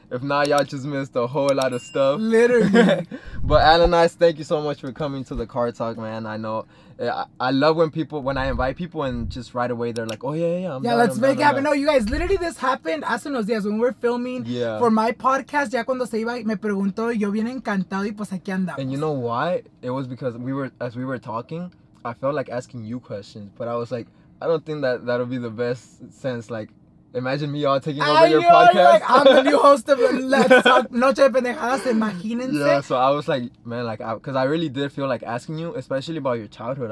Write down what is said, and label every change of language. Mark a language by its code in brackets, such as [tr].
[en] If not, y'all just missed a whole lot of stuff. Literally. But Alanized, thank you so much for coming to the Car Talk, man. I know. I love when I invite people and just right away they're like, oh, yeah, yeah. Let's make it happen. No, you guys, literally this happened [es] hace unos días [en] when we were filming for my podcast. [es] Ya cuando se iba, me preguntó, yo bien encantado y pues aquí andamos. [en] And you know why? It was because as we were talking, I felt like asking you questions, but I was like, I don't think that'll be the best sense. Like, imagine me all taking over your podcast. Like, I'm the new host of Let's Talk Noche de Pendejadas, imagínense. Yeah, so I was like, man, like, because I really did feel like asking you, especially about your childhood.